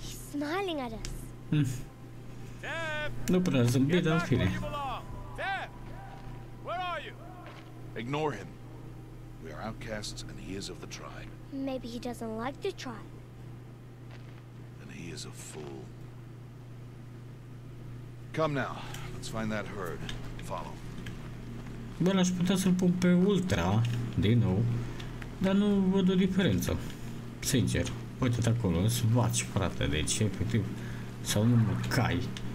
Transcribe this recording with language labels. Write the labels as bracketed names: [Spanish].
[English] Smiling at us. [Romanian] Deb, nu prea zâmbi, dar în fine. Deb, [English] where are you? Ignore him. We are outcasts and he is of the tribe. Maybe he doesn't like the tribe. And he is a fool. Come now, let's find that herd. Follow. [Romanian] Bă, l-aș putea să-l pun pe ultra, din nou, dar nu văd o diferență, sincer. Uite-te acolo, îți vaci, frate, deci efectiv, sau nu mă, cai.